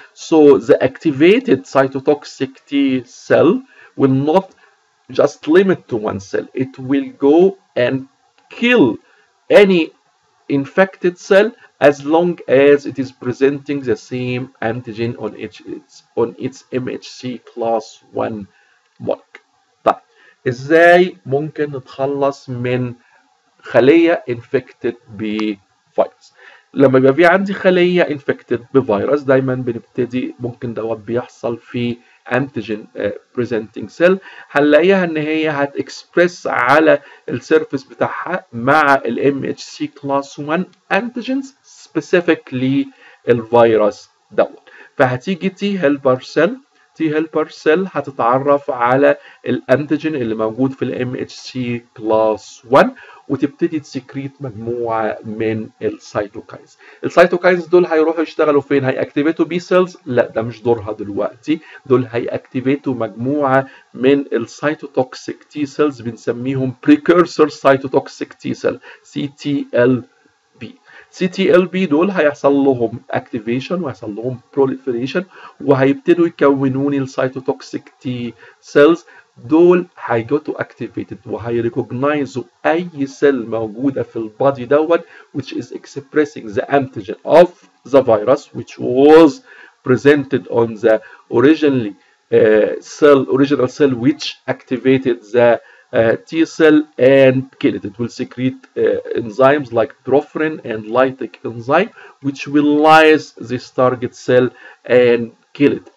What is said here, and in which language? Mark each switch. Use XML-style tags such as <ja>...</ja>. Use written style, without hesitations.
<en>So the activated cytotoxic T cell will not just limit to one cell, it will go and kill any infected cell as long as it is presenting the same antigen on its MHC class 1 mark.</en> <ar>طيب ازاي ممكن نتخلص من خلية infected بفيروس؟ لما يبقى في عندي خلية infected بفيروس، دايما بنبتدي ممكن دوت بيحصل في antigen presenting cell، هنلاقيها ان هي هت express على السيرفيس بتاعها مع ال MHC class 1 antigens specifically الفيروس دوت، فهتيجي T helper cell تي هيلبر سيل هتتعرف على الانتيجين اللي موجود في الام اتش سي بلس 1 وتبتدي تسكريت مجموعه من السيتوكاينز. السيتوكاينز دول هيروحوا يشتغلوا فين؟ هياكتيفيتوا بي سيلز؟ لا، ده مش دورها دلوقتي. دول هياكتيفيتوا مجموعه من السيتوتوكسيك تي سيلز بنسميهم بريكيرسر سيتوتوكسيك تي سيل سي تي ال بي. سي تي ال بي دول هيحصل لهم اكتيفيشن وهيحصل لهم بروليفريشن وهيبتدوا يكونون السيتوتوكسيك تي سيلز. دول هيجوتو اكتيفيتد وهيريكوجنايزو اي سيل موجوده في البادي دوت</ar> <en>which is expressing the antigen of the virus which was presented on the originally original cell which activated the T cell and killed it. It will secrete enzymes like perforin and lytic enzyme which will lyse this target cell and kill it.</en>